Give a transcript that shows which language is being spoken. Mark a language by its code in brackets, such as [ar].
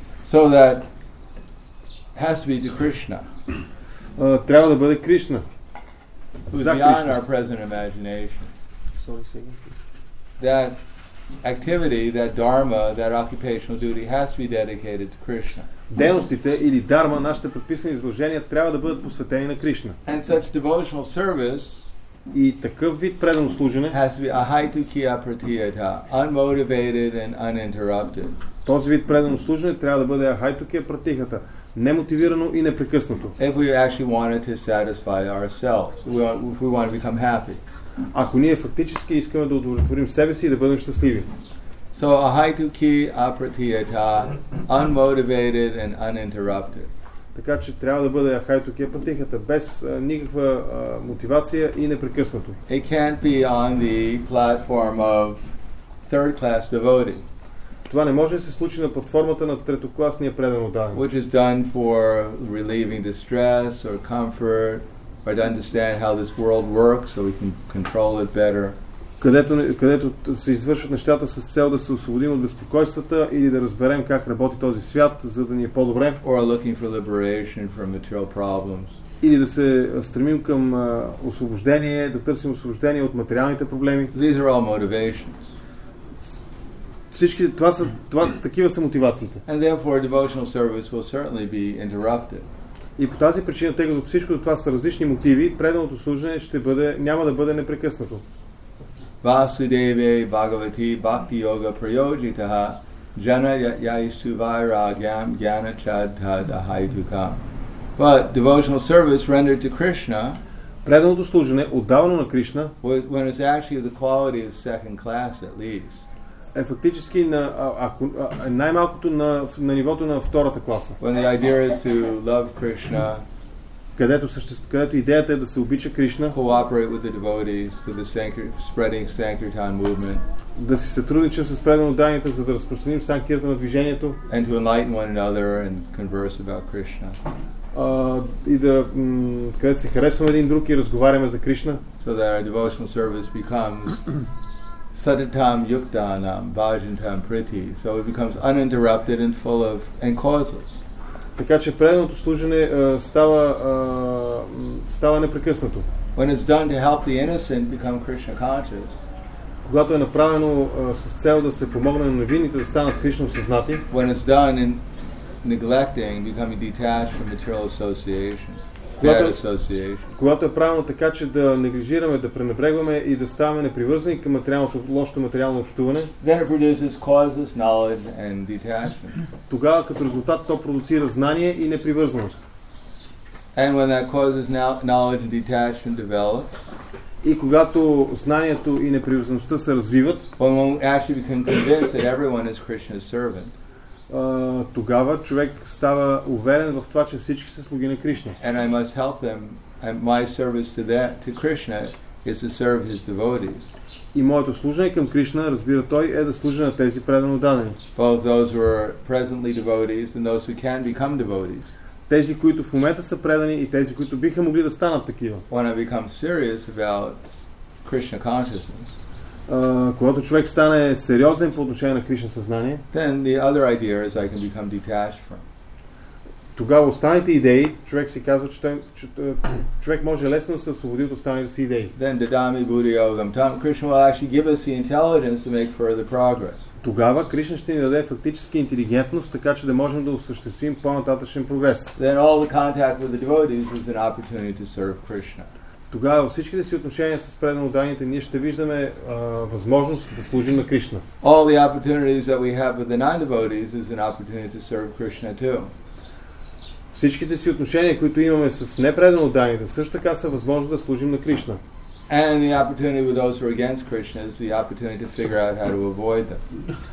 [en] So that has to be to Krishna. [bg] Трябва да бъде Кришна. [en] Beyond our present imagination. That activity, that dharma, that occupational duty has to be dedicated to Krishna. [bg] Дейностите или дарма, нашите предписани изложения, трябва да бъдат посветени на Кришна. [en] And such devotional service [bg] и такъв вид преданно служене [en] has to be [sa] ahaitu kiya pratiyata, [en] unmotivated and uninterrupted. [bg] Този вид преданно служене трябва да бъде [sa] ahaitu kiya pratiyata, [bg] немотивирано и непрекъснато. [en] If we actually wanted to satisfy ourselves, if we want to become happy. [bg] Ако ние фактически искаме да удовлетворим себе си и да бъдем щастливи. [en] So [sa] ahaitu ki apratiyata, [en] unmotivated and uninterrupted. [bg] Така че трябва да бъде [sa] ahaitu ki apratiyata, [bg] без никаква мотивация и непрекъснато. [en] It can't be on the platform of third class devotee. [bg] Това не може да се случи на платформата на третокласния предан отдаден. [en] Which is done for relieving distress or comfort. Or to understand how this world works so we can control it better. [bg] Където се извършват нещата с цел да се освободим от безпокойствата или да разберем как работи този свят, за да ни е по-добре. [en] Or looking for liberation from material problems. [bg] Или да се стремим към освобождение, да търсим освобождение от материалните проблеми. [en] These are all motivations. [bg] Всички това са това, такива са мотивациите. [en] And therefore devotional service will certainly be interrupted. [bg] И по тази причина, тъй като всичко това са различни мотиви, преданото служене ще бъде, няма да бъде непрекъснато. [sa] Васудеве Бхагавати Бхакти Йога Прайоджитаха Джана Яйсу Вайрагям Гьяна Чадха Дахайтука. [en] But devotional service rendered to Krishna, [bg] преданото служене отдавано на Кришна, [en] when it's actually the quality of second class at least, [bg] е фактически на, ако, най-малкото на, на нивото на втората класа. [en] When the idea is to love Krishna, [bg] където идеята е да се обича Кришна, [en] cooperate with the devotees for the spreading Sankirtan movement, [bg] да си сътрудничим с преданоданите, за да разпространим Санкирта на движението, [en] and to enlighten one another and converse about Krishna. [bg] И да където се харесваме един друг и разговаряме за Кришна, [en] so that our devotional service becomes [sa] Satatam yuktanam bhajantam priti, [en] so it becomes uninterrupted and full of and causeless. [bg] Така че преданото служене става става непрекъснато. [en] When it's done to help the innocent become Krishna conscious. [bg] Когато е направено с цел да се помогне на невинните да станат Кришна осъзнати. [en] When it's done in neglecting becoming detached from material association. [bg] Когато е правилно така, че да неглижираме, да пренебрегваме и да ставаме непривързани към материалното, лошото материално общуване, [en] then it produces causeless knowledge and detachment. [bg] Тогава като резултат то продуцира знание и непривързаност. [en] And when that causes knowledge and detachment develop, [bg] и когато знанието и непривързаността се развиват, [en] when one actually becomes convinced that everyone is Krishna's servant, [bg] тогава човек става уверен в това, че всички са слуги на Кришна. [en] And I must help them. And my service to that, to Krishna, is to serve his devotees. [bg] И моето служение към Кришна, разбира той, е да служа на тези предано дадени. [en] Both those who are presently devotees and those who can become devotees. [bg] Тези, които в момента са предани и тези, които биха могли да станат такива. [en] When I become serious about Krishna consciousness, [bg] когато човек стане сериозен по отношение на Кришна съзнание, [en] then the other idea is I can become detached from. [bg] Тогава останалите идеи, човек си казва, човек може лесно да се освободи от останалите си идеи. [en] Then the [sa] Dhammi Buddhi Yogam Tam, [en] Krishna will actually give us the intelligence to make further progress. [bg] Тогава Кришна ще ни даде фактически интелигентност, така че да можем да осъществим по-нататъчен прогрес. [en] Then all the contact with the devotees is an opportunity to serve Krishna. [bg] Тогава всичките си отношения с предано даните ние ще виждаме възможност да служим на Кришна. [en] All the opportunities that we have with the non-devotees is an opportunity to serve Krishna too. [bg] Всичките си отношения, които имаме с непредано даните, също така са възможност да служим на Кришна. [en] And the opportunity with those who are against Krishna is the opportunity to figure out how to avoid them.